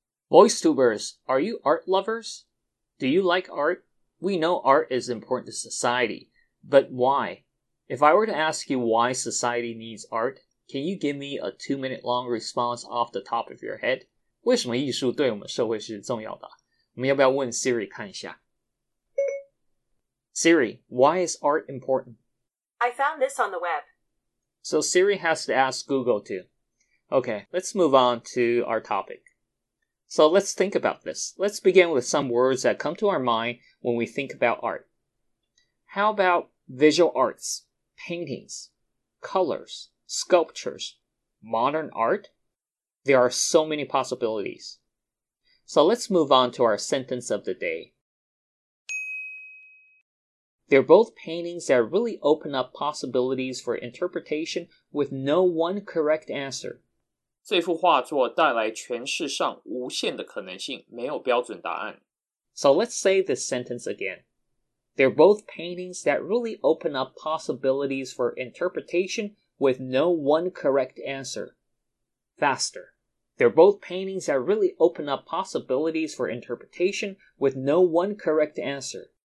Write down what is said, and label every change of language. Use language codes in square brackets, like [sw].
[en] Boystubers, are you art lovers? Do you like art? We know art is important to society, but why? If I were to ask you why society needs art, can you give me a 2-minute long response off the top of your head? [zh] 为什么艺术对我们社会是重要的？我们要不要问 Siri 看一下？ [en] Siri, why is art important? I found this on the web. So Siri has to ask Google too. Okay, let's move on to our topic. So let's think about this. Let's begin with some words that come to our mind when we think about art. How about visual arts, paintings, colors, sculptures, modern art? There are so many possibilities. So let's move on to our sentence of the day. They're both paintings that really open up possibilities for interpretation with no one correct answer. [zh] 这幅画作带来诠释上无限的可能性，没有标准答案。 [en] So let's say this sentence again. They're both paintings that really open up possibilities for interpretation with no one correct answer. Faster. They're both paintings that really open up possibilities for interpretation with no one correct answer.